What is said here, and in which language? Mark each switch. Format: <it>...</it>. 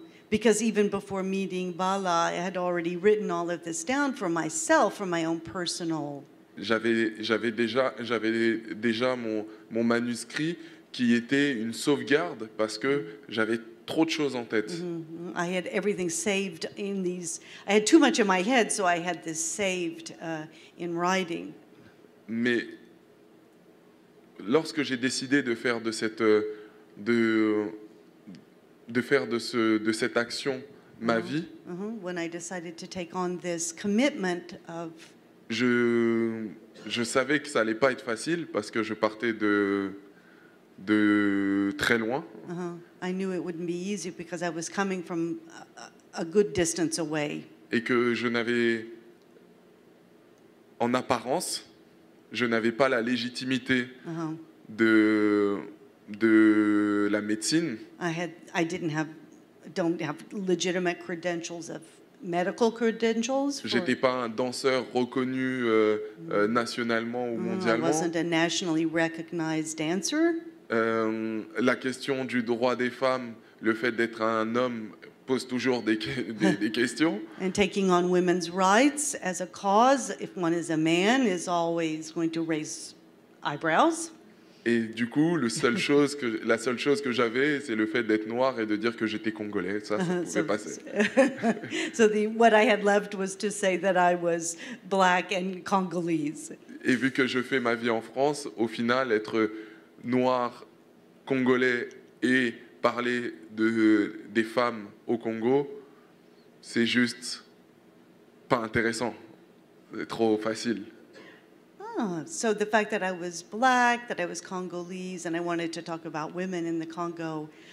<en>Because even before meeting Bala, I had already written all of this down for myself, for my own personal.</en> <fr>J'avais déjà mon manuscrit qui était une sauvegarde parce que j'avais trop de choses en tête.</fr> <en>I had everything saved in these. I had too much in my head, so I had this saved in writing.</en> <fr>Mais lorsque j'ai décidé de faire de cette action ma vie.</fr> <en>When I decided to take on this commitment of.</en> <fr>Je savais que ça allait pas être facile parce que je partais de très loin.</fr> <en>I knew it wouldn't be easy because I was coming from a good distance away.</en> <fr>Et que je n'avais, en apparence, je n'avais pas la légitimité de la médecine.</fr> <en>I don't have legitimate credentials of medical credentials.</en> <fr>J'étais pas un danseur reconnu nationalement ou mondialement.</fr> <en>I wasn't a nationally recognized dancer.</en> <fr>La question du droit des femmes, le fait d'être un homme pose toujours des questions.</fr> <en>And taking on women's rights as a cause, if one is a man, is always going to raise eyebrows.</en> <fr>Et du coup, la seule chose que j'avais, c'est le fait d'être noir et de dire que j'étais congolais. Ça pouvait passer.</fr> <en>So the what I had left was to say that I was black and Congolese.</en> <fr>Et vu que je fais ma vie en France, au final, être noir, congolais et parler des femmes au Congo, c'est juste pas intéressant. C'est trop facile.</fr> <en>So the fact that I was black, that I was Congolese, and I wanted to talk about women in the Congo,</en>